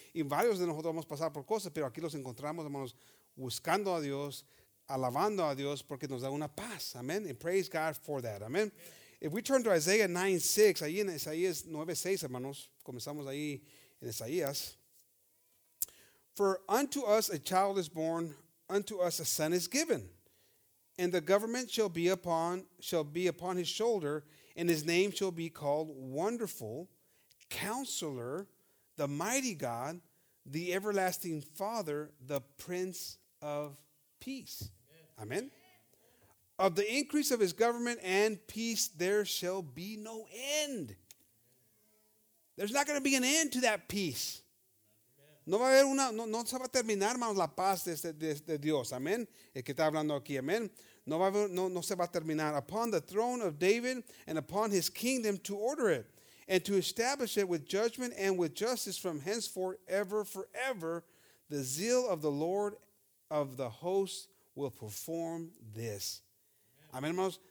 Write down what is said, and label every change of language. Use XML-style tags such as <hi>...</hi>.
<es>Y varios de nosotros hemos pasado por cosas, pero aquí los encontramos, hermanos, buscando a Dios, alabando a Dios, porque nos da una paz. Amen.</es> <en>And praise God for that. Amen. If we turn to Isaiah 9:6,</en> <es>ahí en Isaías 9:6, hermanos, comenzamos ahí en Isaías.</es> <en>For unto us a child is born, unto us a son is given, and the government shall be upon his shoulder, and his name shall be called Wonderful, Counselor, the Mighty God, the Everlasting Father, the Prince of Peace. Amen. Amen. Of the increase of his government and peace, there shall be no end. There's not going to be an end to that peace.</en> <es>No va a haber una, no se va a terminar más la paz de Dios. Amen. El que está hablando aquí. Amen. No se va a terminar.</es> <en>Upon the throne of David and upon his kingdom to order it and to establish it with judgment and with justice from henceforth, ever, forever, the zeal of the Lord of the hosts will perform this.</en> <es>Amén, hermanos.</es>